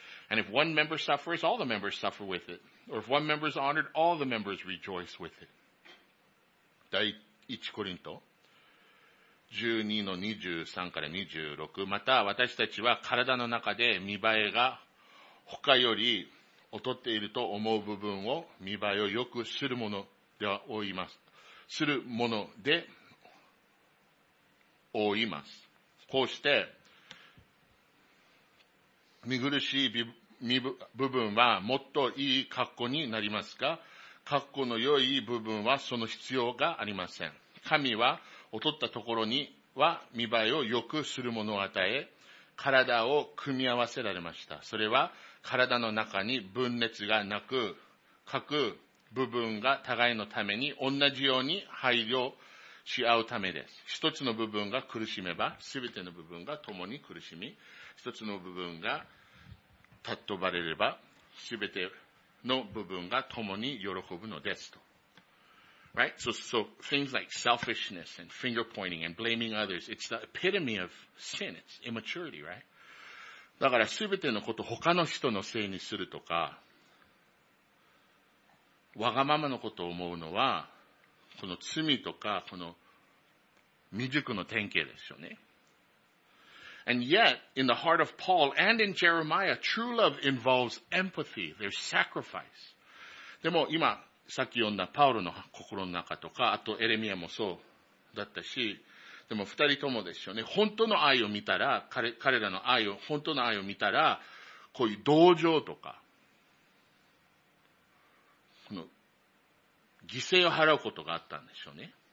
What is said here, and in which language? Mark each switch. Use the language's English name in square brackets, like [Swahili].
[English] And if one member suffers, all the members suffer with it. Or if one member is honored, all the members rejoice with it. [Japanese] 第1コリント12:23-26また私たちは体の中で見栄えが他より劣っていると思う部分を見栄えを良くするものでは多います。するもので多います。こうして見苦しい部分はもっといい格好になりますが、格好の良い部分はその必要がありません。神は劣ったところには見栄えを良くするものを与え、体を組み合わせられました。それは体の中に分裂がなく、各部分が互いのために同じように配慮し合うためです。一つの部分が苦しめば、すべての部分が共に苦しみ、一つの部分が尊ばれれば、すべてのの部分が共に喜ぶのですと。 [English] Right? So things like selfishness and finger pointing and blaming others, it's the epitome of sin. It's immaturity, right? [Japanese] だからすべてのことを他の人のせいにするとか、わがままのことを思うのは、この罪とか、この未熟の典型ですよね。 [English] And yet, in the heart of Paul and in Jeremiah, true love involves empathy. There's sacrifice. [Japanese] でも今、さっき読んだパウロの心の中とか、あとエレミアもそうだったし、でも二人ともですよね。本当の愛を見たら、彼らの愛を、本当の愛を見たら、こういう同情とか、この犠牲を払うことがあったんでしょうね。